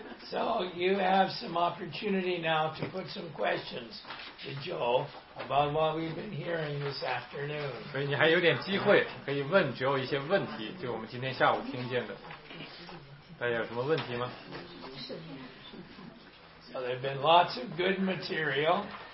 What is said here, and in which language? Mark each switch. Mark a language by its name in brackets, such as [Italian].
[English] So you have some opportunity now to put some questions to Joe about what we've been hearing this afternoon. [Chinese] 所以你还有点机会可以问 Joe 一些问题，就我们今天下午听见的。大家有什么问题吗 [English] ？So there have been lots of good material.